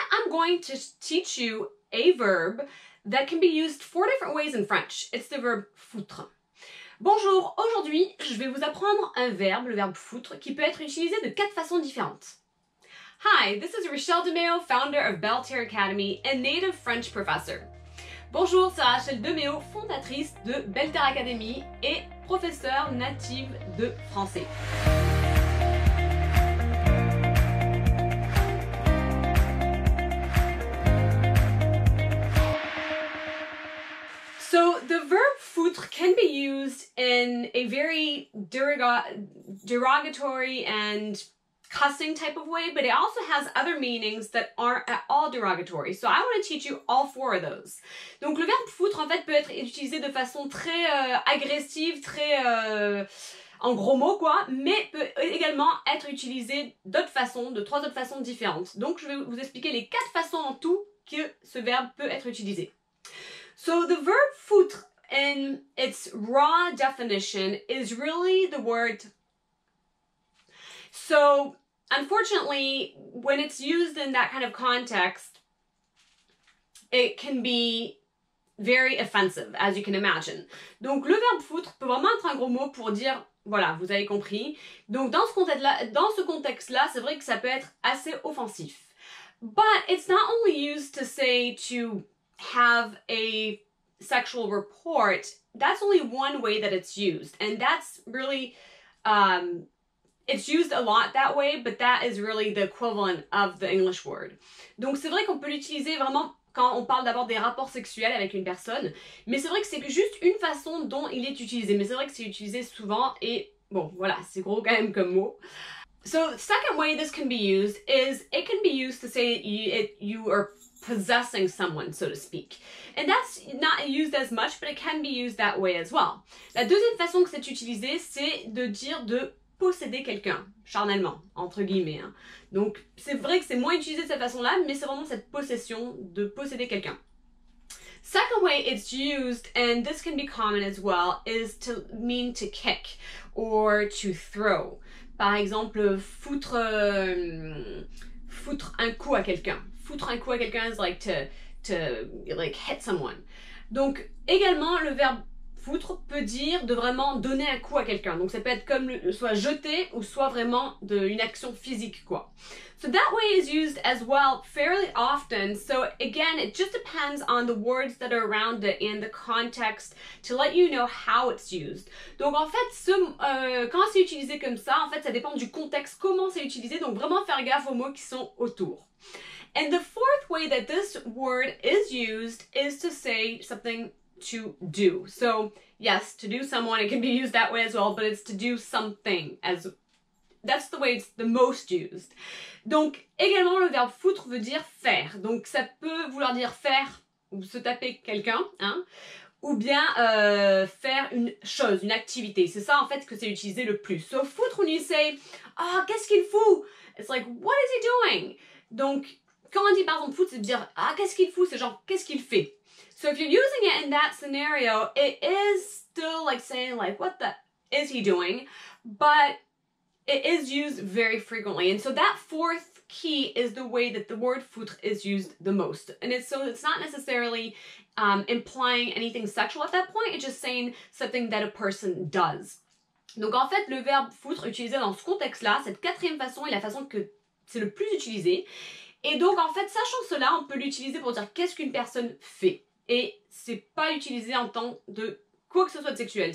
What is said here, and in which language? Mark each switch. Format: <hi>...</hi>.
<en>going to teach you a verb that can be used four different ways in French. It's the verb foutre.</en> <fr>Bonjour, aujourd'hui, je vais vous apprendre un verbe, le verbe foutre, qui peut être utilisé de quatre façons différentes.</fr> <en>Hi, this is Rachel DeMeo, founder of Belterre Academy and native French professor.</en> <fr>Bonjour, c'est Rachel DeMeo, fondatrice de Belterre Academy et professeure native de français.</fr> <en>So the verb foutre can be used in a very derogatory and cussing type of way, but it also has other meanings that aren't at all derogatory. So I want to teach you all four of those.</en> <fr>Donc le verbe foutre en fait peut être utilisé de façon très agressive, très en gros mots quoi, mais peut également être utilisé d'autres façons, de trois autres façons différentes. Donc je vais vous expliquer les quatre façons en tout que ce verbe peut être utilisé.</fr> <en>So the verb foutre in its raw definition is really the word. So unfortunately, when it's used in that kind of context, it can be very offensive, as you can imagine.</en> <fr>Donc le verbe foutre peut vraiment être un gros mot pour dire, voilà, vous avez compris. Donc dans ce contexte-là, c'est vrai que ça peut être assez offensif.</fr> <en>But it's not only used to say to have a sexual report, that's only one way that it's used, and that's really it's used a lot that way, but that is really the equivalent of the English word.</en> <fr>Donc c'est vrai qu'on peut l'utiliser vraiment quand on parle d'avoir des rapports sexuels avec une personne, mais c'est vrai que c'est juste une façon dont il est utilisé, mais c'est vrai que c'est utilisé souvent, et bon voilà, c'est gros quand même comme mot.</fr> <en>So second way this can be used is it can be used to say you are possessing someone, so to speak. And that's not used as much, but it can be used that way as well.</en> <fr>La deuxième façon que c'est utilisé, c'est de dire de posséder quelqu'un, charnellement, entre guillemets. Hein. Donc, c'est vrai que c'est moins utilisé de cette façon-là, mais c'est vraiment cette possession de posséder quelqu'un.</fr> <en>Second way it's used, and this can be common as well, is to mean to kick or to throw.</en> <fr>Par exemple, foutre un coup à quelqu'un. Foutre un coup à quelqu'un</fr> <en>is like to hit someone.</en> <fr>Donc également le verbe foutre peut dire de vraiment donner un coup à quelqu'un. Donc ça peut être comme soit jeter ou soit vraiment de une action physique quoi.</fr> <en>So that way is used as well fairly often. So again, it just depends on the words that are around it and the context to let you know how it's used.</en> <fr>Donc en fait, quand c'est utilisé comme ça, en fait, ça dépend du contexte comment c'est utilisé. Donc vraiment faire gaffe aux mots qui sont autour.</fr> <en>And the fourth way that this word is used is to say something to do. So, yes, to do someone, it can be used that way as well, but it's to do something. That's the way it's the most used.</en> <fr>Donc, également, le verbe foutre veut dire faire. Donc, ça peut vouloir dire faire ou se taper quelqu'un, hein, ou bien faire une chose, une activité. C'est ça, en fait, que c'est utilisé le plus.</fr> <en>So, foutre, when you say, ah, oh,</en> <fr>qu'est-ce qu'il fout?</fr> <en>It's like, what is he doing?</en> <fr>Donc, quand on dit par exemple foot, c'est de dire ah qu'est-ce qu'il fout, c'est genre qu'est-ce qu'il fait.</fr> <en>So if you're using it in that scenario, it is still like saying like what the is he doing, but it is used very frequently. And so that fourth key is the way that the word foutre is used the most. And it's not necessarily implying anything sexual at that point. It's just saying something that a person does.</en> <fr>Donc en fait, le verbe foutre utilisé dans ce contexte-là, cette quatrième façon est la façon que c'est le plus utilisé. Et donc, en fait, sachant cela, on peut l'utiliser pour dire qu'est-ce qu'une personne fait. Et c'est pas utilisé en tant de quoi que ce soit de sexuel.</fr>